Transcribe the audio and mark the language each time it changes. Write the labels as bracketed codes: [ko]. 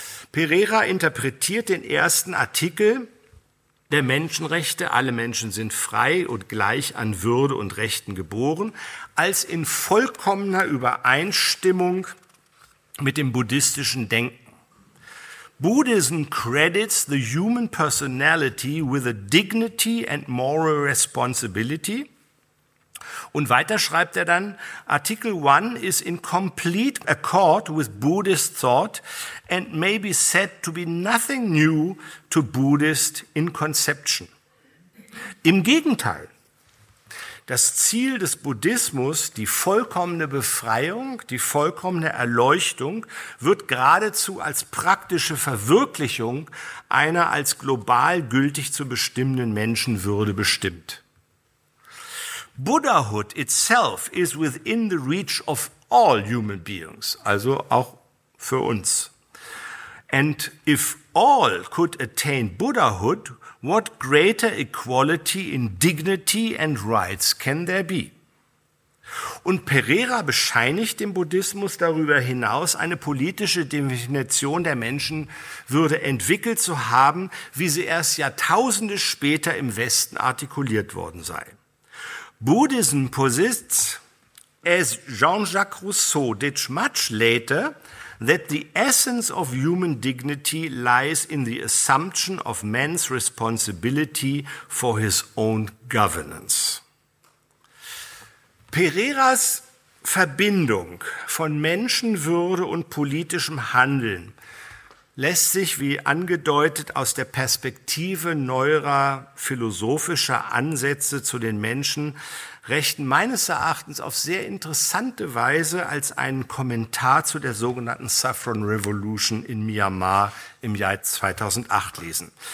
[de] Pereira interpretiert den ersten Artikel der Menschenrechte, alle Menschen sind frei und gleich an Würde und Rechten geboren, als in vollkommener Übereinstimmung mit dem buddhistischen Denken. [en] Buddhism credits the human personality with a dignity and moral responsibility. [de] Und weiter schreibt er dann, [en] Article 1 is in complete accord with Buddhist thought and may be said to be nothing new to Buddhist in conception. [de] Im Gegenteil, das Ziel des Buddhismus, die vollkommene Befreiung, die vollkommene Erleuchtung, wird geradezu als praktische Verwirklichung einer als global gültig zu bestimmenden Menschenwürde bestimmt. [en] Buddhahood itself is within the reach of all human beings, [de] also auch für uns. [en] And if all could attain Buddhahood, what greater equality in dignity and rights can there be? [de] Und Pereira bescheinigt dem Buddhismus darüber hinaus, eine politische Definition der Menschenwürde entwickelt zu haben, wie sie erst Jahrtausende später im Westen artikuliert worden sei. [en] Buddhism posits, as Jean-Jacques Rousseau did much later, that the essence of human dignity lies in the assumption of man's responsibility for his own governance. [de] Pereiras Verbindung von Menschenwürde und politischem Handeln lässt sich, wie angedeutet, aus der Perspektive neuerer philosophischer Ansätze zu den Menschenrechten meines Erachtens auf sehr interessante Weise als einen Kommentar zu der sogenannten Saffron Revolution in Myanmar im Jahr 2008 lesen.